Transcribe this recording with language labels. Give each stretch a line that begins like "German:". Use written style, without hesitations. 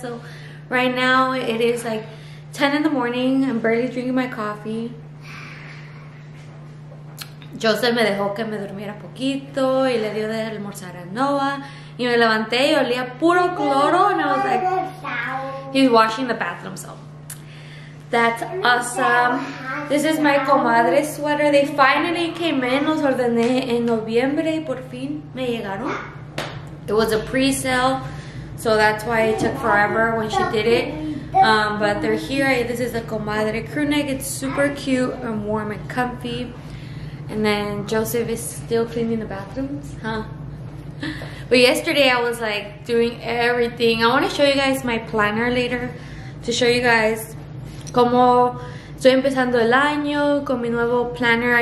English: So right now it is like 10 in the morning, I'm barely drinking my coffee.
Spanish: Joseph me dejó que me durmiera poquito y le dio de almorzar a Noah. Y me levanté y olía puro cloro,
English: and I was like, he's washing the bathroom, so that's awesome. This is my comadre sweater. They finally came in.
Spanish: Los ordené en noviembre y por fin me llegaron.
English: It was a pre-sale, so that's why it took forever when she did it. But they're here. This is the comadre crew neck. It's super cute and warm and comfy. And then Joseph is still cleaning the bathrooms, huh? But yesterday I was like doing everything. I want to show you guys my planner later to show you guys
Spanish: como estoy empezando el año con mi nuevo planner.